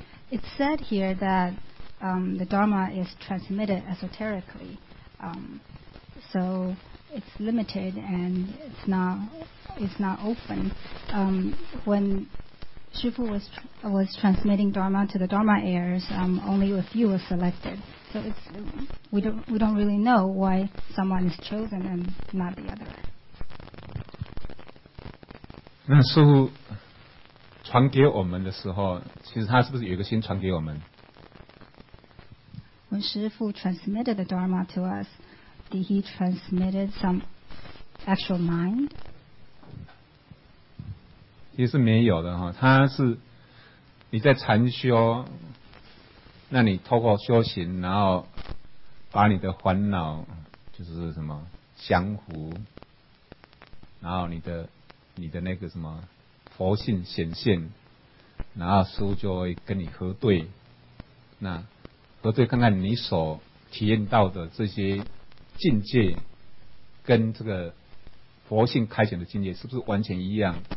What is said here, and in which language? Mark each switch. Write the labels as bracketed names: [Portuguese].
[English] It's said here that the Dharma is transmitted esoterically, so it's limited and it's not open. When Shifu was transmitting Dharma to the Dharma heirs, only a few were selected. So we don't really know why someone is chosen and not the other. [Chinese] 那师父传给我们的时候，其实他是不是有一个心传给我们？ [English] When Shifu transmitted the Dharma to us, did he transmit some actual mind? [Chinese] 其实没有的，他是你在禅修，那你透过修行，然后把你的烦恼就是什么降伏，然后你的那个什么佛性显现，然后师父就会跟你核对，那核对看看你所体验到的这些境界跟这个佛性开显的境界是不是完全一样。